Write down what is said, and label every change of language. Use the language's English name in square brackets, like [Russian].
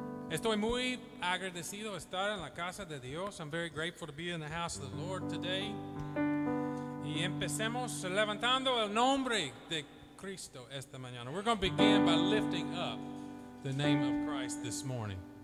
[Spanish] Estoy muy agradecido de estar en la casa de Dios. [English] I'm very grateful to be in the house of the Lord today. [Spanish] Y empecemos levantando el nombre de Cristo esta mañana. [English] We're going to begin by lifting up the name of Christ this morning.